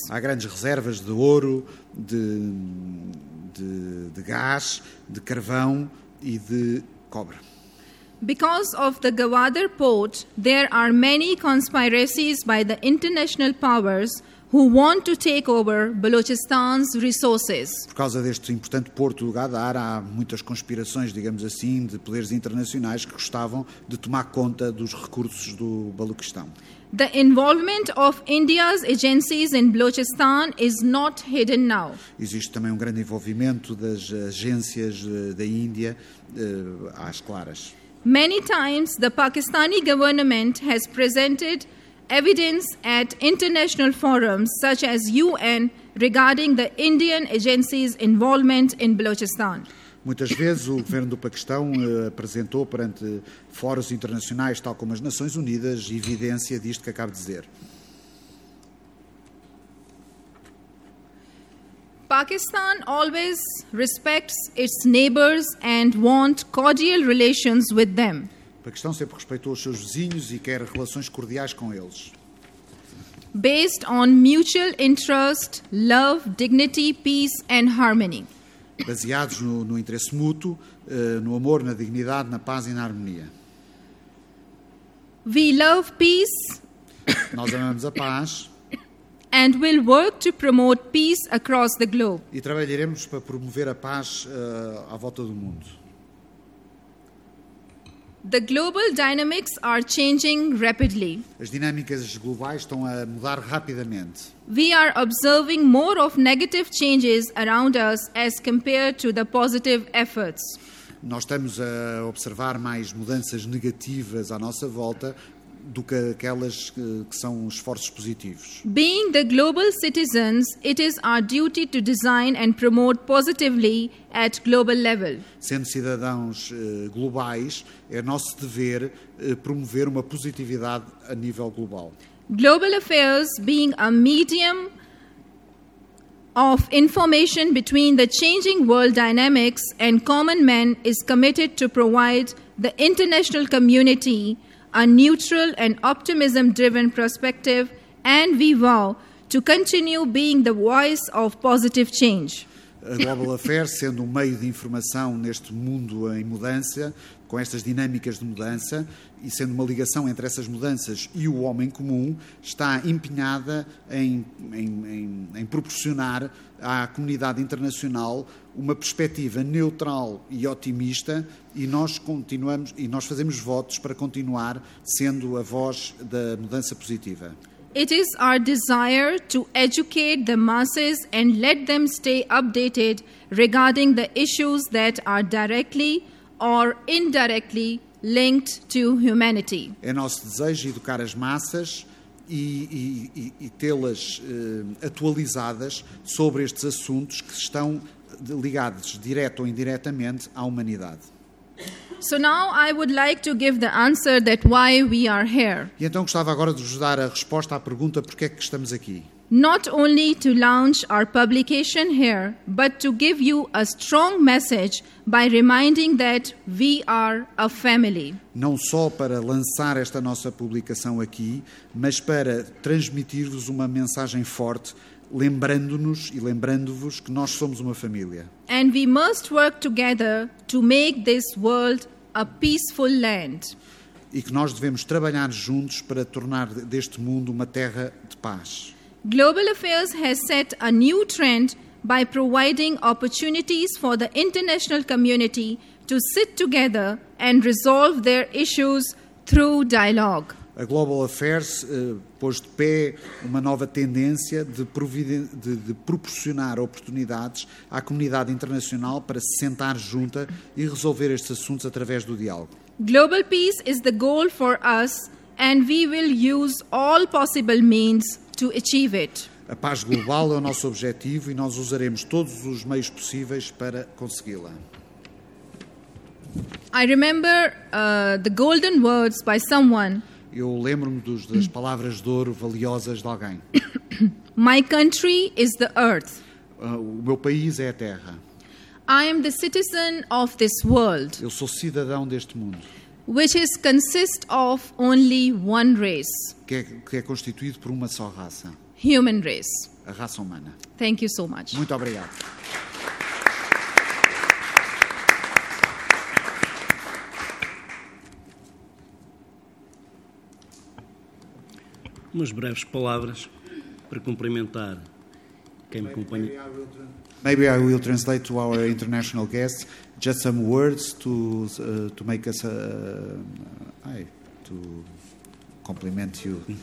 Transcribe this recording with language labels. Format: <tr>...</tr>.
<pt>Há grandes reservas de ouro, de gás, de carvão e de cobre.</pt> <en>Because of the Gwadar port, there are many conspiracies by the international powers who want to take over Balochistan's resources.</en> <pt>Por causa deste importante porto do Gwadar, há muitas conspirações, digamos assim, de poderes internacionais que gostavam de tomar conta dos recursos do Balochistão.</pt> <en>The involvement of India's agencies in Balochistan is not hidden now.</en> <pt>Existe também grande envolvimento das agências da Índia às claras.</pt> <en>Many times the Pakistani government has presented evidence at international forums such as UN regarding the Indian agency's involvement in Balochistan.</en> <pt>Muitas vezes o governo do Paquistão apresentou perante fóruns internacionais, tal como as Nações Unidas, evidência disto que acabo de dizer.</pt> <en>Pakistan always respects its neighbors and wants cordial relations with them.</en> <pt>O Paquistão sempre respeitou os seus vizinhos e quer relações cordiais com eles.</pt> <en>Based on mutual interest, love, dignity, peace and harmony.</en> <pt>Baseados no interesse mútuo, no amor, na dignidade, na paz e na harmonia.</pt> <en>We love peace.</en> <pt>Nós amamos a paz.</pt> <en>And we'll work to promote peace across the globe.</en> <pt>E trabalharemos para promover a paz à volta do mundo.</pt> <en>The global dynamics are changing rapidly.</en> <pt>As dinâmicas globais estão a mudar rapidamente.</pt> <en>We are observing more of negative changes around us as compared to the positive efforts.</en> <pt>Nós estamos a observar mais mudanças negativas à nossa volta do que aquelas que são esforços positivos.</pt> <en>Being the global citizens, it is our duty to design and promote positively at global level.</en> <pt>Sendo cidadãos globais, é nosso dever promover uma positividade a nível global.</pt> <en>Global affairs being a medium of information between the changing world dynamics and common men is committed to provide the international community a neutral and optimism-driven perspective, and we vow to continue being the voice of positive change.</en> <pt>A Global Affairs, sendo um meio de informação neste mundo em mudança, com estas dinâmicas de mudança, e sendo uma ligação entre essas mudanças e o homem comum, está empenhada em proporcionar à comunidade internacional uma perspectiva neutral e otimista, e nós fazemos votos para continuar sendo a voz da mudança positiva.</pt> <en>It is our desire to educate the masses and let them stay updated regarding the issues that are directly or indirectly linked to humanity.</en> <pt>É nosso desejo educar as massas e tê-las atualizadas sobre estes assuntos que estão ligados direto ou indiretamente à humanidade.</pt> <en>So now I would like to give the answer that why we are here.</en> <pt>E então gostava agora de vos dar a resposta à pergunta porque é que estamos aqui.</pt> <en>Not only to launch our publication here, but to give you a strong message by reminding that we are a family.</en> <pt>Não só para lançar esta nossa publicação aqui, mas para transmitir-vos uma mensagem forte, lembrando-nos e lembrando-vos que nós somos uma família.</pt> <en>And we must work together to make this world a peaceful land.</en> <pt>E que nós devemos trabalhar juntos para tornar deste mundo uma terra de paz.</pt> <en>Global Affairs has set a new trend by providing opportunities for the international community to sit together and resolve their issues through dialogue.</en> <pt>A Global Affairs pôs de pé uma nova tendência de proporcionar oportunidades à comunidade internacional para se sentar junta e resolver estes assuntos através do diálogo.</pt> <en>Global peace is the goal for us and we will use all possible means to achieve it.</en> <pt>A paz global é o nosso objetivo e nós usaremos todos os meios possíveis para consegui-la.</pt> <en>I remember the golden words by someone.</en> <pt>Eu lembro-me das palavras de ouro valiosas de alguém.</pt> <en>My country is the earth.</en> <pt>O meu país é a terra.</pt> <en>I am the citizen of this world.</en> <pt>Eu sou cidadão deste mundo.</pt> <en>Which is consist of only one race.</en> <pt>Que é constituído por uma só raça.</pt> <en>Human race.</en> <pt>A raça humana.</pt> <en>Thank you so much.</en> <pt>Muito obrigado. Umas breves palavras para cumprimentar quem me acompanha.</pt> <en>Maybe I will translate to our international guests just some words to make us to compliment you.</en>